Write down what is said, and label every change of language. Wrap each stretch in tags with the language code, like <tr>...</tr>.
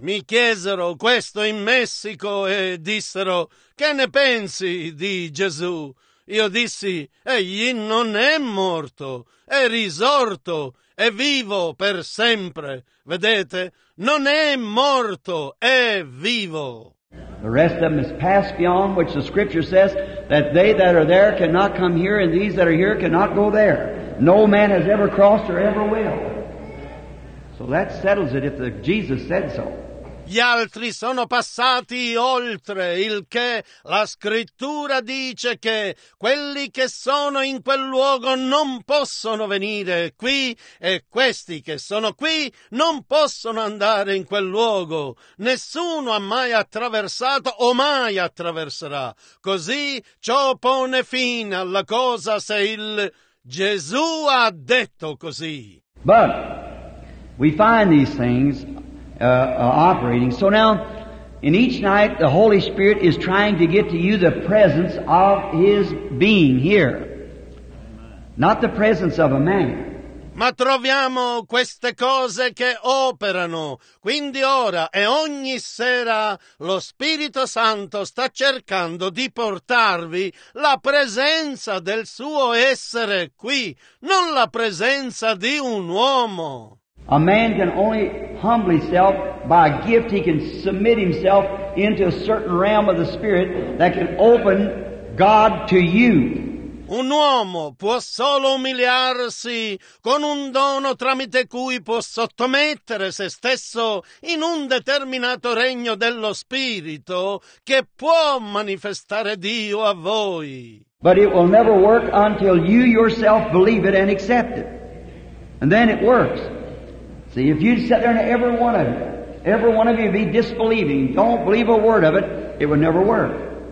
<it>Mi chiesero questo in Messico e dissero, che ne pensi di Gesù? Io dissi, egli non è morto, è risorto, è vivo per sempre. Vedete, non è morto, è vivo.</it> <en>The rest of them is passed beyond, which the scripture says, that they that are there cannot come here, and these that are here cannot go there. No man has ever crossed or ever will. So that settles it if Jesus said so.</en> <it>Gli altri sono passati oltre, il che la scrittura dice che quelli che sono in quel luogo non possono venire qui e questi che sono qui non possono andare in quel luogo. Nessuno ha mai attraversato o mai attraverserà. Così ciò pone fine alla cosa se il Gesù ha detto così.</it> <en>But we find these things operating. So now, in each night, the Holy Spirit is trying to get to you the presence of His being here, not the presence of a man.</en> <it>Ma troviamo queste cose che operano. Quindi ora e ogni sera lo Spirito Santo sta cercando di portarvi la presenza del suo essere qui, non la presenza di un uomo.</it> <en>A man can only humble himself by a gift. He can submit himself into a certain realm of the Spirit that can open God to you.</en> <it>Un uomo può solo umiliarsi con un dono tramite cui può sottomettere se stesso in un determinato regno dello Spirito che può manifestare Dio a voi.</it> <en>But it will never work until you yourself believe it and accept it. And then it works. See, if you sit there and every one of you be disbelieving, don't believe a word of it, it would never work.</en>